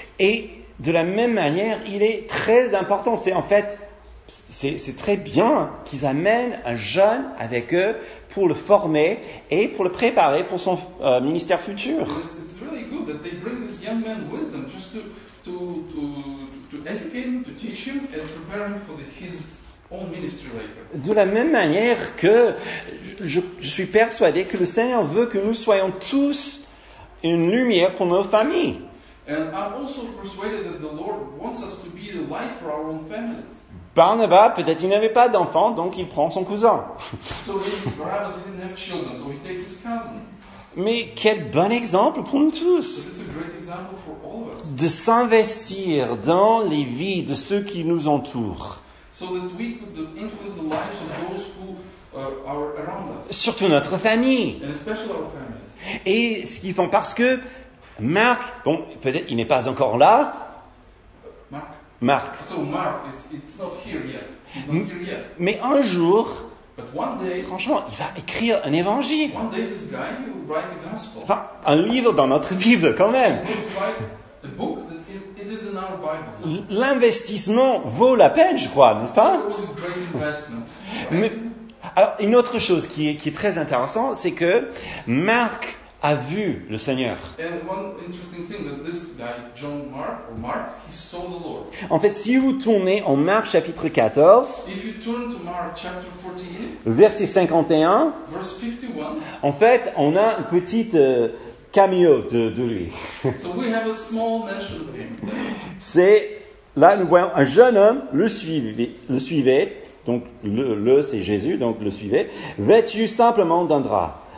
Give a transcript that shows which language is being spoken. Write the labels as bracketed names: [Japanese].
[French] Et de la même manière, il est très important. C'est très bien qu'ils amènent un jeune avec eux pour le former et pour le préparer pour son ministère futur. [English] It's really good that they bring this young man with them just to educate him, to teach him, and prepare him for his own ministry later. [French] De la même manière que je suis persuadé que le Seigneur veut que nous soyons tous une lumière pour nos familles. [English] And I'm also persuaded that the Lord wants us to be a light for our own families. [French] Barnabas, peut-être il n'avait pas d'enfant, donc il prend son cousin. [English] So Barnabas didn't have children, so he takes his cousin. [French] Mais quel bon exemple pour nous tous. [English] This is a great example for all of us. [French] De s'investir dans les vies de ceux qui nous entourent. [English] so that we could influence the lives of those who are around us. [French] Surtout notre famille. [English] And especially our families. [French] Et ce qu'ils font, parce que Marc, bon, peut-être il n'est pas encore là. [English] Marc. So Mark is it's not here yet. He's not here yet. [French] Mais un jour. [English] But one day, [French] franchement, il va écrire un évangile. [English] One day this guy will write a gospel. [French] Enfin, un livre dans notre Bible, quand même. [English] A book that is, it is in our Bible. [French] L'investissement vaut la peine, je crois, n'est-ce pas? [English] So it was a great investment, right? [French] Mais, alors, une autre chose qui est très intéressante, c'est que Marc a vu le Seigneur. [English] And one interesting thing that this guy, John Mark, or Mark, he saw the Lord. [French] En fait, si vous tournez en Marc chapitre 14, [English] if you turn to Mark chapter 14, [French] verset 51, [English] verse 51, [French] en fait, on a une petite cameo de lui. [English] So we have a small mention of him. [French] C'est, là, nous voyons un jeune homme le suivait, donc le c'est Jésus, donc le suivait, vêtu simplement d'un drap.